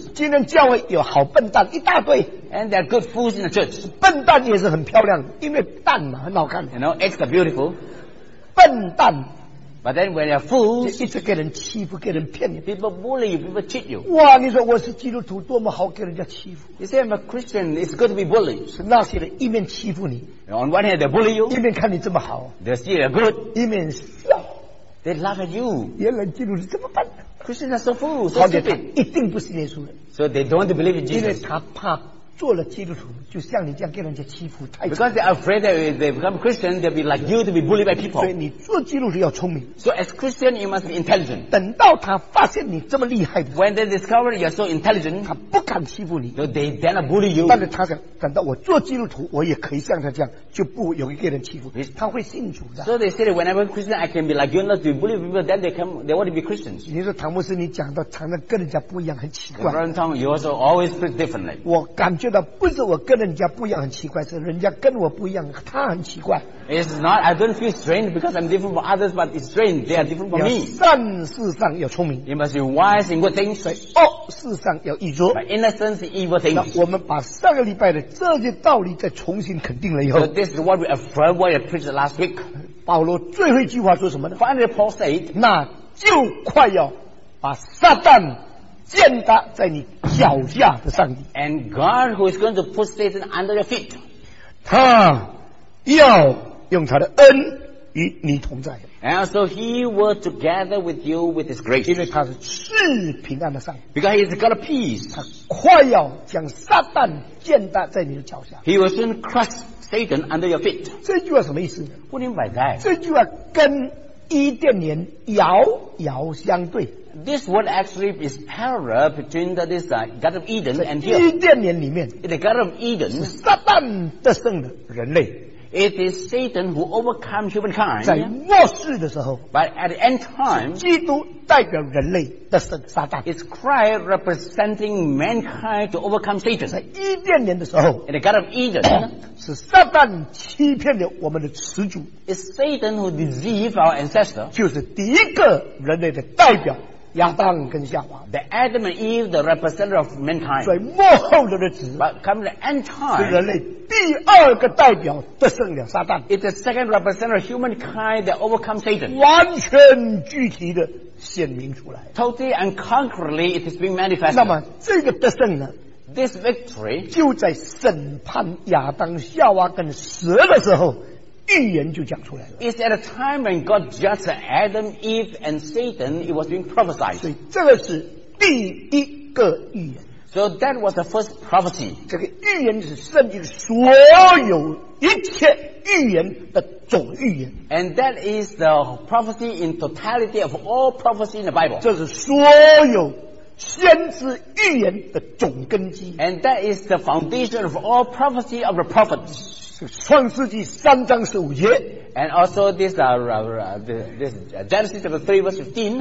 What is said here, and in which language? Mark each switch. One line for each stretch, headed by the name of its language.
Chinese: 今天教会有好笨蛋一大堆。
English: And there are good fools in the church.
Chinese: 笨蛋也是很漂亮，因为蛋嘛很好看。
English: You know, eggs are beautiful.
Chinese: 笨蛋。
English: But then when you're fools,
Chinese: 一直给人欺负，给人骗你。
English: People bully you, people cheat you.
Chinese: 哇，你说我是基督徒，多么好给人家欺负。
English: You say I'm a Christian, it's good to be bullied.
Chinese: 是那些人一面欺负你。
English: On one hand they bully you.
Chinese: 一面看你这么好。
English: They see you're good.
Chinese: 一面笑。
English: They laugh at you.
Chinese: 原来基督徒这么笨。
English: Christians are so fools, so stupid.
Chinese: 一定不是耶稣的。
English: So they don't believe in Jesus.
Chinese: 因为他怕做了基督徒，就像你这样给人家欺负，太。
English: Because they're afraid that if they become Christian, they'll be like you to be bullied by people.
Chinese: 所以你做基督徒要聪明。
English: So as Christian, you must be intelligent.
Chinese: 等到他发现你这么厉害的。
English: When they discover you're so intelligent,
Chinese: 他不敢欺负你。
English: So they dare not bully you.
Chinese: 但是他想，等到我做基督徒，我也可以像他这样，就不容易给人欺负。他会信主的。
English: So they say that whenever Christian, I can be like you, not to be bullied by people. Then they want to be Christians.
Chinese: 你说唐牧师，你讲到常常跟人家不一样，很奇怪。
English: Reverend Tom, you also always speak differently.
Chinese: 我感觉。觉得不是我跟人家不一样很奇怪，是人家跟我不一样，他很奇怪。
English: It's not. I don't feel strange because I'm different from others, but it's strange. They are different from me.
Chinese: 善事上要聪明。
English: You must be wise in good things.
Chinese: 恶事上要易拙。
English: But innocence in evil things.
Chinese: 那我们把上个礼拜的这些道理再重新肯定了以后。
English: So this is what we affirmed what we preached last week.
Chinese: 保罗最后一句话说什么呢
English: ？Finally, Paul said,
Chinese: 那就快要把撒旦。践踏在你脚下的上帝
English: and God who is going to put Satan under your feet
Chinese: 他要用他的恩与你同在。
English: And so he was together with you with his grace.
Chinese: 因为他是平安的上帝。
English: Because he is God of peace.
Chinese: 他快要将撒旦践踏在你的脚下。
English: He will soon crush Satan under your feet.
Chinese: 这句话什么意思？
English: What do you mean by that?
Chinese: 这句话跟伊甸园遥遥相对。
English: This word actually is parallel between the, this Garden of Eden and here.
Chinese: 伊甸园里面
English: ，the Garden of Eden
Chinese: 是撒旦得胜的人类。
English: It is Satan who overcomes humankind.
Chinese: 在末世的时候
English: ，but at the end time,
Chinese: 基督代表人类得胜撒旦。
English: It's Christ representing mankind to overcome Satan.
Chinese: 在伊甸园的时候
English: ，in the Garden of Eden,
Chinese: 是撒旦欺骗了我们的始祖。
English: It's Satan who deceived our ancestor.
Chinese: 就是第一个人类的代表。亚当跟夏娃
English: the Adam and Eve, the representative of mankind.
Chinese: 所以末后的日子
English: but come the end time,
Chinese: 是人类第二个代表得胜了撒旦
English: It's the second representative of humankind that overcome Satan.
Chinese: 完全具体的显明出来
English: Totally and concretely, it is being manifested.
Chinese: 那么这个得胜呢
English: This victory,
Chinese: 就在审判亚当夏娃跟蛇的时候预言就讲出来了。
English: It's at a time when God judged Adam, Eve, and Satan. It was being prophesied.
Chinese: 所以这个是第一个预言。
English: So that was the first prophecy.
Chinese: 这个预言是圣经所有一切预言的总预言。
English: And that is the prophecy in totality of all prophecy in the Bible.
Chinese: 这是所有先知预言的总根基。
English: And that is the foundation of all prophecy of the prophets.
Chinese: 创世纪三章十五节
English: and also this, this Genesis chapter 3 verse 15